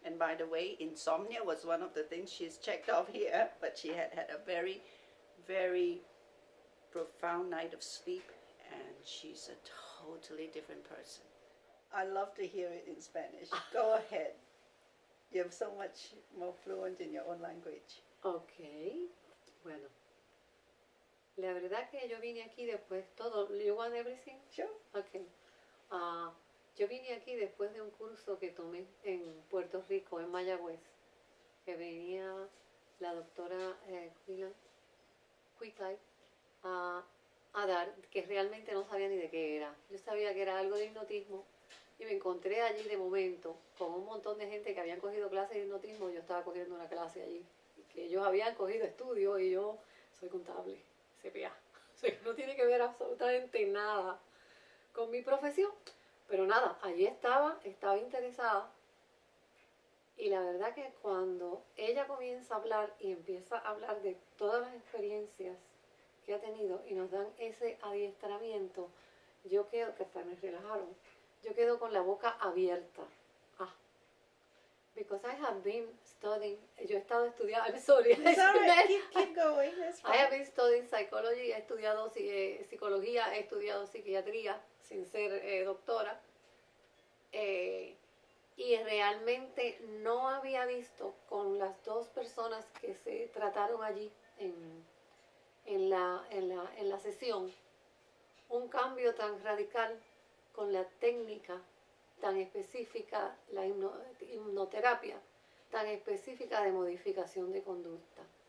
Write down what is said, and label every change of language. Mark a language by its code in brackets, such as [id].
[en] And by the way, insomnia was one of the things she's checked off here, but she had had a very, very profound night of sleep. And she's a totally different person. I love to hear it in Spanish. Go ahead. You have so much more fluent in your own language. [es] Okay. Bueno. La verdad que yo vine aquí después todo. [en] You want everything? Sure. Okay. [es] Yo vine aquí después de un curso que tomé en Puerto Rico, en Mayagüez, que venía la doctora Quitay a dar, que realmente no sabía ni de qué era. Yo sabía que era algo de hipnotismo y me encontré allí de momento con un montón de gente que habían cogido clases de hipnotismo y yo estaba cogiendo una clase allí. Y que ellos habían cogido estudios y yo soy contable, CPA. O sea, no tiene que ver absolutamente nada con mi profesión. Pero nada, allí estaba interesada. Y la verdad que cuando ella comienza a hablar y empieza a hablar de todas las experiencias que ha tenido y nos dan ese adiestramiento, yo quedo, que hasta me relajaron, yo quedo con la boca abierta. [en] Ah, because I have been studying, [es] yo he estado estudiando, [en] I'm sorry, it's all right. keep going, that's fine. I have been studying psychology, [es] he estudiado psicología, he estudiado psiquiatría, sin ser doctora, y realmente no había visto con las dos personas que se trataron allí en la sesión un cambio tan radical con la técnica tan específica, la hipnoterapia tan específica de modificación de conducta.